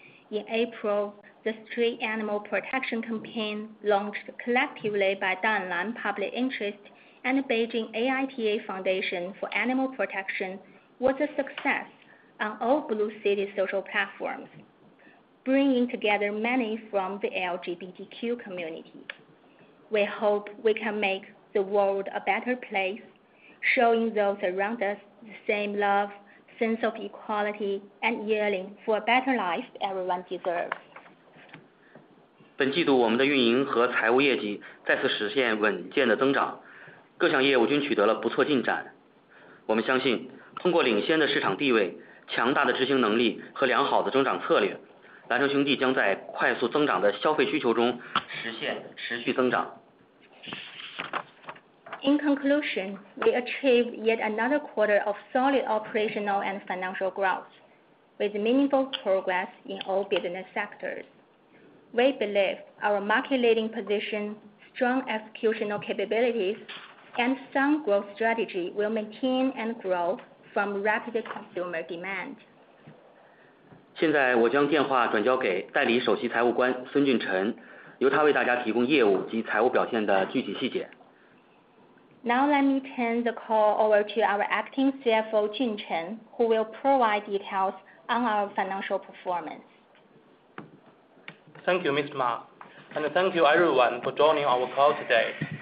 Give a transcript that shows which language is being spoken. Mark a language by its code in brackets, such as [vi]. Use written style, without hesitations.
[en] In April, the Street Animal Protection Campaign, launched collectively by Danlan Public Interest and the Beijing AITA Foundation for Animal Protection, was a success on all Blue City social platforms, bringing together many from the LGBTQ community. We hope we can make the world a better place, showing those around us the same love, sense of equality, and yearning for a better life everyone deserves. [zh] 本季度我们的运营和财务业绩再次实现稳健的增长，各项业务均取得了不错进展。我们相信，通过领先的市场地位、强大的执行能力和良好的增长策略，蓝城兄弟将在快速增长的消费需求中实现持续增长。 [en] In conclusion, we achieved yet another quarter of solid operational and financial growth, with meaningful progress in all business sectors. We believe our market-leading position, strong executional capabilities, and sound growth strategy will maintain and grow from rapid consumer demand. [zh] 现在我将电话转交给代理首席财务官孙俊晨，由他为大家提供业务及财务表现的具体细节。 [en] Now let me turn the call over to our acting CFO Jun Chen, who will provide details on our financial performance. Thank you, Ms. Ma, and thank you everyone for joining our call today.